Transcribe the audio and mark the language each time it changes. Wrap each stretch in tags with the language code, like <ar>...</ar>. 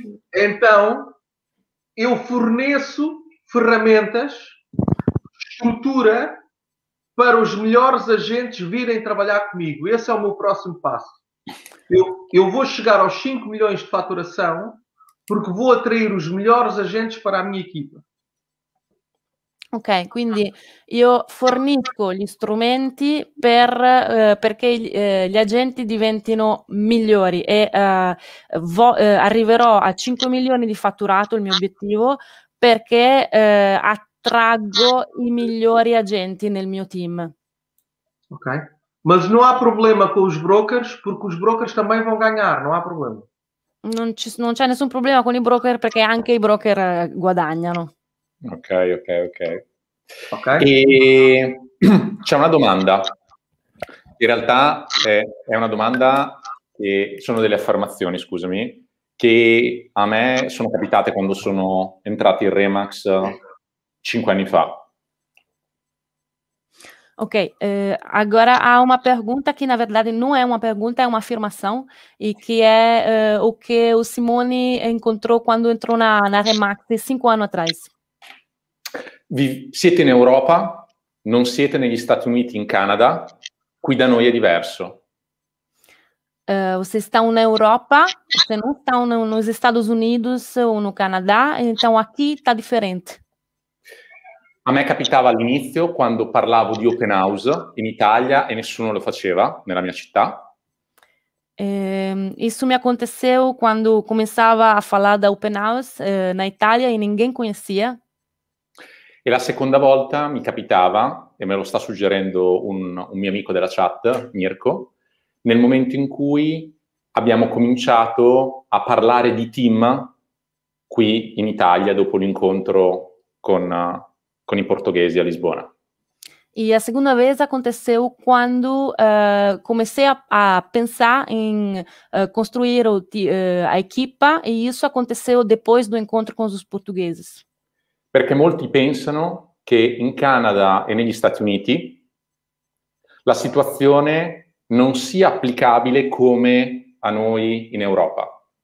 <pt>Então, eu forneço ferramentas, estrutura para os melhores agentes virem trabalhar comigo. Esse é o meu próximo passo. Eu vou chegar aos 5 milhões de faturação porque vou atrair os melhores agentes para a minha equipa.</pt> <it>Ok, quindi io fornisco gli strumenti perché gli agenti diventino migliori e arriverò a 5 milioni di fatturato, il mio obiettivo, perché attraggo i migliori agenti nel mio team. Ok, ma non ha problema con i broker perché i broker</it> <pt>também vão ganhar,</pt> <it>non ha problema. Non c'è nessun problema con i broker perché anche i broker guadagnano. Ok. Okay. E c'è una domanda, in realtà è una domanda che sono delle affermazioni, scusami, che a me sono capitate quando sono entrati in Remax 5 anni fa.</it> <pt>Ok, agora há uma pergunta que na verdade não é uma pergunta, é uma afirmação, e que é o que o Simone encontrou quando entrou na Remax 5 anos atrás.</pt> <it>Siete in Europa, non siete negli Stati Uniti, in Canada, qui da noi è diverso.</it> <pt>Você está in Europa, você não está nos Estados Unidos ou no Canadá, então aqui está diferente.</pt> <it>A me capitava all'inizio, quando parlavo di open house in Italia e nessuno lo faceva nella mia città.</it> <pt>Isso me aconteceu quando começava a falar da open house na Itália e ninguém conhecia.</pt> <it>E la seconda volta mi capitava, e me lo sta suggerendo un mio amico della chat, Mirko, nel momento in cui abbiamo cominciato a parlare di team qui in Italia dopo l'incontro con i portoghesi a Lisbona. E la seconda volta</it> <pt>aconteceu quando comecei a pensar in costruire a equipa, e isso aconteceu depois do encontro con os portugueses.</pt> <it>Perché molti pensano che in Canada e negli Stati Uniti la situazione non sia applicabile come a noi in Europa.</it>